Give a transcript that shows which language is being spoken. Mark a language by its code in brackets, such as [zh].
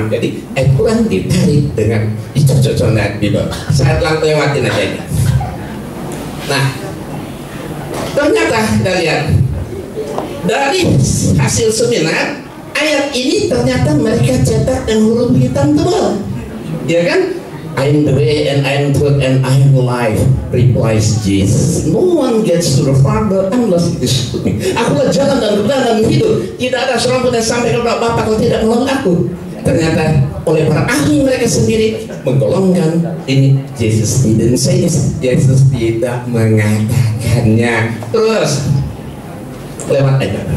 [id] Jadi akulah ditarik dengan dicocok-cocok dengan Bible. Saya telah lewatin aja ini. Nah, ternyata kita lihat dari hasil seminar, ayat ini ternyata mereka cetak dengan huruf hitam tebal. Iya kan? [en] I am the way and I am the truth and I am the life, replies Jesus. No one gets to the Father unless it is through me. [id] Akulah jalan dan kebenaran dan hidup. Tidak ada seorang pun yang sampai kepada Bapa kalau tidak melalui aku. Ternyata oleh para ahli mereka sendiri menggolongkan ini [en] Jesus didn't say this. [id] Jesus tidak mengatakannya. Terus lewat aja.